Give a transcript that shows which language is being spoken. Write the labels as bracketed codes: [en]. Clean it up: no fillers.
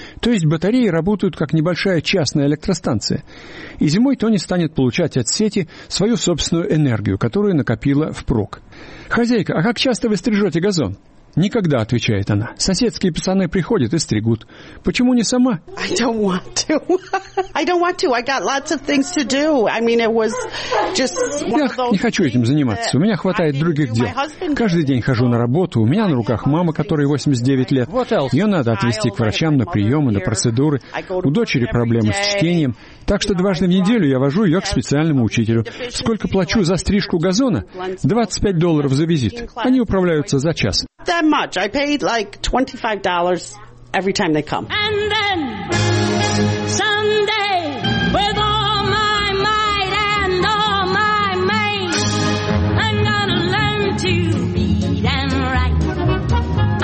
[ru] То есть батареи работают как небольшая частная электростанция. И зимой Тони станет получать от сети свою собственную энергию, которую накопила впрок». «Хозяйка, а как часто вы стрижете газон?» «Никогда», — отвечает она. «Соседские пацаны приходят и стригут. Почему не сама?» [en] «I don't want to. I don't want to. I got lots of things to do. I mean, it was just one of those things. [ru] Я не хочу этим заниматься. У меня хватает других дел. Каждый день хожу на работу. У меня на руках мама, которой 89 лет. Ее надо отвезти к врачам на приемы, на процедуры. У дочери проблемы с чтением. Так что дважды в неделю я вожу ее к специальному учителю. Сколько плачу за стрижку газона? $25 за визит. Они управляются за час». [en] That much. I paid like $25 every time they come. And then someday, with all my might and all my main, I'm gonna learn to read and write.